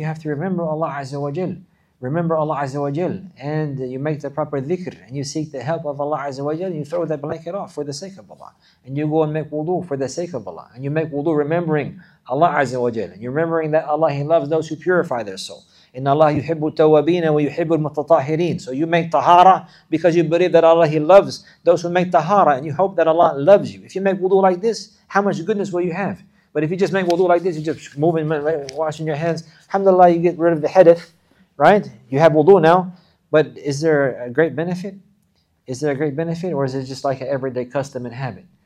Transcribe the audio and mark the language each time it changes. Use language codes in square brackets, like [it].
[en] You have to remember Allah Azza wa Jal. Remember Allah Azza wa Jal. And you make the proper dhikr, and you seek the help of Allah Azza wa Jal, and you throw that blanket off for the sake of Allah. And you go and make wudu for the sake of Allah. And you make wudu remembering Allah Azza wa Jal. And you're remembering that Allah, He loves those who purify their soul. [ar] إن الله يحب التوابين ويحب المتطهرين. [en] So you make tahara because you believe that Allah, He loves those who make tahara, and you hope that Allah loves you. If you make wudu like this, how much goodness will you have? But if you just make wudu like this, you're just moving, washing your hands, alhamdulillah, you get rid of the hadith, right? You have wudu now, but is there a great benefit? Is there a great benefit, or is it just like an everyday custom and habit?